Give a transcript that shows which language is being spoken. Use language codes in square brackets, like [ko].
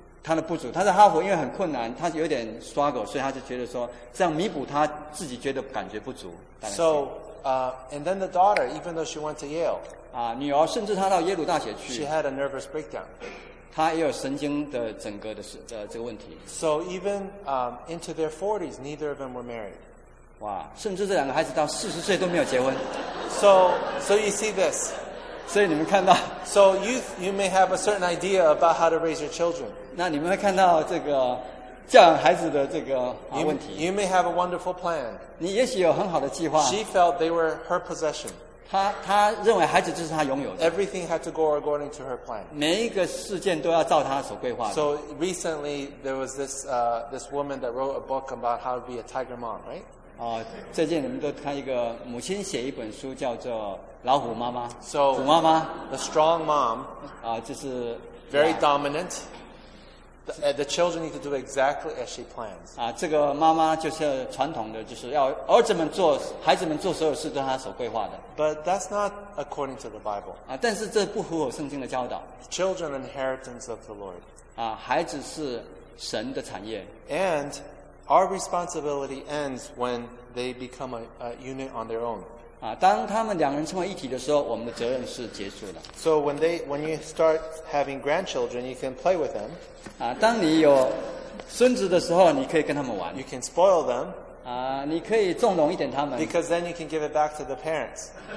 [zh] 他的不足他在哈佛因为很困难他有点 struggle 所以他就觉得说这样弥补他自己觉得感觉不足 [en] so and then the daughter even though she went to Yale [zh] 女儿甚至她到耶鲁大学去 [en] she had a nervous breakdown [zh] 他也有神经的整个的这个问题。 [en] So even into their 40s, neither of them were married. [zh] 哇，甚至这两个孩子到40岁都没有结婚。 [en] So you see this. [zh] 所以你们看到。 [en] So you may have a certain idea about how to raise your children. [zh] 那你们会看到这个教养孩子的这个问题。 [en] You may have a wonderful plan. [zh] 你也许有很好的计划。 [en] She felt they were her possession. [zh] 他认为孩子就是他拥有的。 [en] Everything had to go according to her plan. [zh] 每一个事件都要照他所规划的。 [en] So recently there was this woman that wrote a book about how to be a tiger mom, right? [zh] 哦，最近你们都看一个母亲写一本书，叫做《老虎妈妈》。 [en] So, [zh] 虎妈妈。 [en] The strong mom. [zh] 啊，就是。 [en] Very dominant. The children need to do exactly as she plans. [zh] 啊，这个妈妈就是传统的，就是要儿子们做，孩子们做所有事都她所规划的。 [en] But that's not according to the Bible. [zh] 啊，但是这不符合圣经的教导。 [en] Children are inheritance of the Lord. [zh] 啊，孩子是神的产业。 [en] And our responsibility ends when they become a unit on their own. [zh] 啊，当他们两个人成为一体的时候，我们的责任是结束的。 [en] So when you start having grandchildren, you can play with them. [zh] 啊，当你有孙子的时候，你可以跟他们玩。 [en] You can spoil them. [zh] 啊，你可以纵容一点他们。 [en] Because then you can give it back to the parents.